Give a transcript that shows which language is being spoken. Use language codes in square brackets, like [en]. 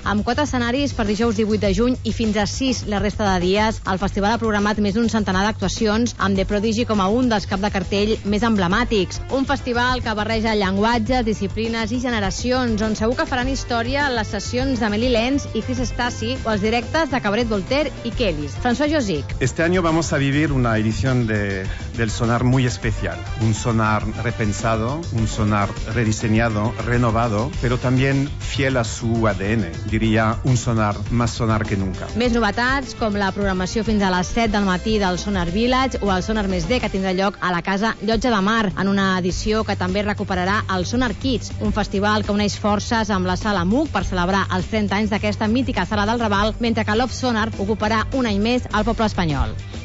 [ca] Amb 4 escenaris per dijous 18 de juny i fins a 6 la resta de dies, el festival ha programat més d'un centenar d'actuacions, amb The Prodigy com a un dels cap de cartell més emblemàtics. Un festival que barreja llenguatges, disciplines i generacions, on segur que faran història les sessions de Meli Lenz i Chris Stassi o els directes de Cabaret Voltaire i Kellys. François Josic. [es] Este año vamos a vivir una edición del Sónar muy especial. Un Sónar repensado, un Sónar rediseñado, renovado, pero también fiel a su ADN. Diría un Sónar más Sónar que nunca. [ca] Més novetats, com la programació fins a les 7 del matí del Sónar Village o el Sónar Més D, que tindrà lloc a la casa Llotja de Mar, en una edició que també recuperarà el Sónar Kids, un festival que uneix forces amb la sala MUC per celebrar els 30 anys d'aquesta mítica sala del Raval, mentre que l'Off Sónar ocuparà un any més al poble espanyol.